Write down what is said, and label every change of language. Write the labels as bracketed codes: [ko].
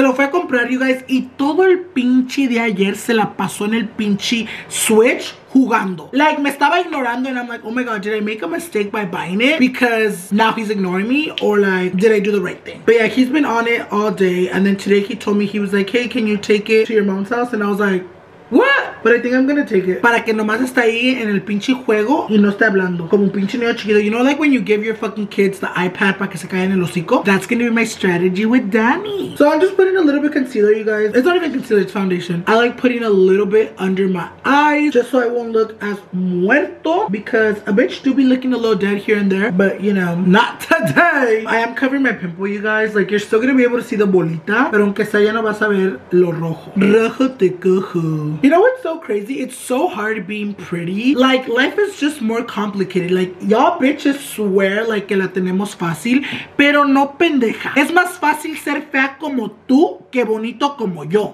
[es] Se lo fue a comprar, [en] you guys, [es] y todo el pinche de ayer se la pasó en el pinche Switch jugando. [en] Like, [es] me estaba ignorando [en] and I'm like, oh my god, did I make a mistake by buying it because now he's ignoring me, or like, did I do the right thing? But yeah, he's been on it all day, and then today he told me, he was like, hey, can you take it to your mom's house? And I was like, what? But I think I'm gonna take it. [es] Para que nomás está ahí en el pinche juego y no esté hablando. Como un pinche niño chiquito. [en] You know, like when you give your fucking kids the iPad [es] para que se caigan en el hocico? [en] That's gonna be my strategy with Danny. So I'm just putting a little bit concealer, you guys. It's not even concealer, it's foundation. I like putting a little bit under my eyes just so I won't look as muerto. Because a bitch do be looking a little dead here and there. But, you know, not today. I am covering my pimple, you guys. Like, you're still gonna be able to see the bolita. [es] Pero aunque sea, ya no vas a ver lo rojo. Rojo te cojo. [en] You know what's so crazy? It's so hard being pretty. Like, life is just more complicated. Like, y'all bitches swear like [es] que la tenemos fácil, pero no, pendeja. Es más fácil ser fea como tú que bonito como yo.